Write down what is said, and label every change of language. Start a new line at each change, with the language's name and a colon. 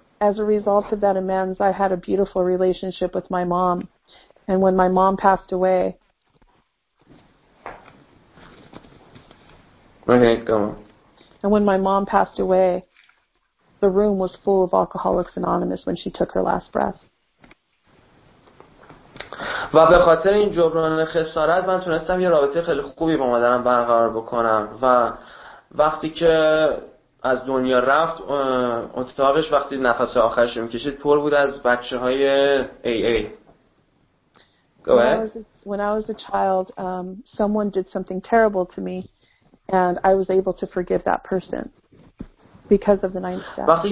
English: As a result of that amends, I had a beautiful relationship with my mom. And when my mom passed away, Okay, go on. And when my mom passed away, the room was full of Alcoholics Anonymous when she took her last breath.
Persian: و به خاطر این جبران خسارت من تونستم یه رابطه خیلی خوبی با مادرم برقرار بکنم و وقتی که از دنیا رفت اتاقش وقتی نفس آخرش رو میکشید پر بود از بچه های AA.
English: When I was a child, someone did something terrible to me and I was able to forgive that person because of the 9th step.